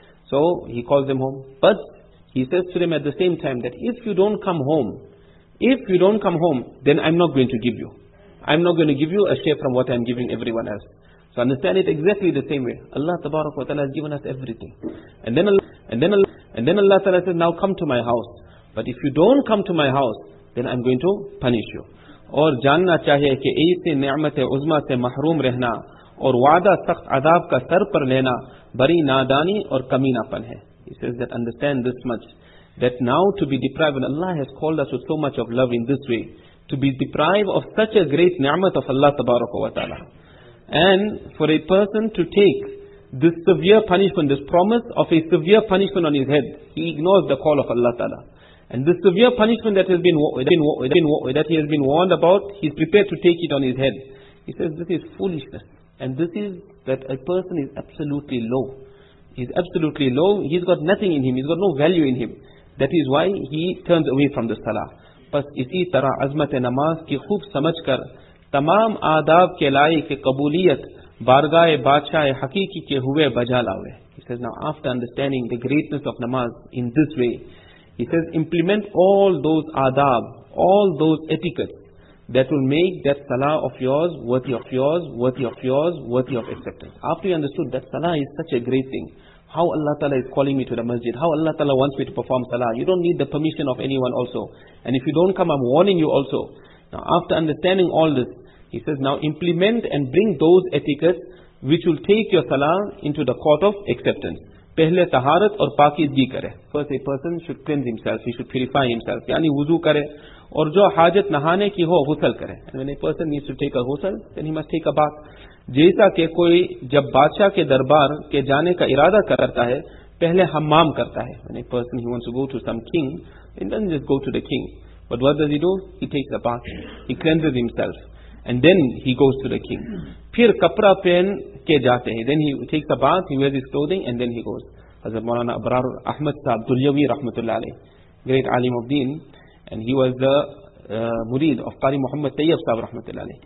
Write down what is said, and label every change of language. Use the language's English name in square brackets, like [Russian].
[English] So he calls them home, but he says to them at the same time that if you don't come home, then I'm not going to give you. I'm not going to give you a share from what I'm giving everyone else. So understand it exactly the same way. Allah tabaraka wa ta'ala has given us everything. And then Allah says, now come to my house. But if you don't come to my house, then I'm going to punish you. [Urdu] اور جاننا چاہیے کہ ایسی نعمت عظمہ سے محروم رہنا اور وعدہ سخت عذاب کا سر پر لینا بڑی نادانی اور کمینہ پن ہے. [English] He says that understand this much, that now to be deprived, when Allah has called us with so much of love in this way, to be deprived of such a great ni'mat of Allah tabaraka wa ta'ala. And for a person to take this severe punishment, this promise of a severe punishment on his head, he ignores the call of Allah ta'ala. And this severe punishment that he has been warned about, he's prepared to take it on his head. He says this is foolishness. And this is that a person is absolutely low. He's absolutely low. He's got nothing in him. He's got no value in him. That is why he turns away from the salah. [Urdu] بس اسی طرح عظمت نماز کی خوب سمجھ کر تمام آداب کے لائق قبولیت بارگاہ بادشاہ حقیقی کے ہوئے بجا لاوے. [English] He says now after understanding the greatness of namaz in this way, he says implement all those adab, all those etiquettes that will make that salah of yours worthy of yours, worthy of yours, worthy of acceptance. After you understood that salah is such a great thing, how Allah Ta'ala is calling me to the masjid, how Allah Ta'ala wants me to perform salah, you don't need the permission of anyone also. And if you don't come, I'm warning you also. Now after understanding all this, he says, now implement and bring those etiquettes which will take your salah into the court of acceptance. [Urdu] Pehle taharat aur paakizgi kare. [English] First a person should cleanse himself, he should purify himself. [Urdu] Yani wudu kare. Aur jo hajat nahane ki ho, ghusl kare. [English] And when a person needs to take a ghusl, then he must take a bath. [Urdu] جیسا کہ کوئی جب بادشاہ کے دربار کے جانے کا ارادہ کرتا ہے پہلے حمام کرتا ہے. [English] When a person he wants to go to some king, he doesn't just go to the king. But what does he do? He takes a bath. He cleanses himself. And then he goes to the king. [Urdu] پھر کپڑا پہن کے جاتے ہیں. [English] Then he takes a bath, he wears his clothing and then he goes. Hazrat Maulana Abrar Ahmed Sahib Dehlavi Rahmatullah Alayh, great alim of deen, and he was the murid of Qari Muhammad Tayyab Sahib Rahmatullah Alayh.